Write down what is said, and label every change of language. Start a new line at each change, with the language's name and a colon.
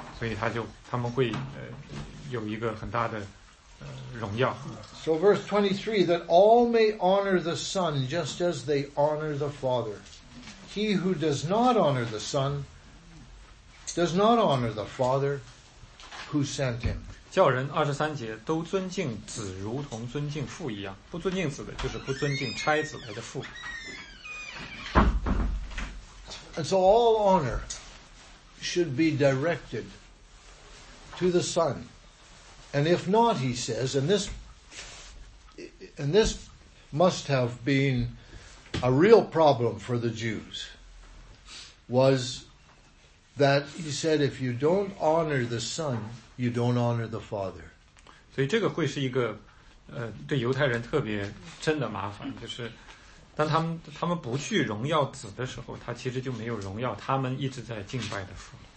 Chinese: 所以他们会有一个很大的荣耀。
English: So verse 23, that all may honor the Son just as they honor the Father. He who does not honor the Son,does not honor the Father who sent him.
Chinese: 叫人23节都尊敬子如同尊敬父一样，不尊敬子的就是不尊敬差子来的父。
English: And so all honor should be directed to the Son. And if not, he says, and this must have been a real problem for the Jews, wasThat he said, if you don't honor the Son, you don't honor the Father.
Chinese: 所以这个会是一个，对犹太人特别真的麻烦，就是当他们不去荣耀子的时候，他其实就没有荣耀他们一直在敬拜的父。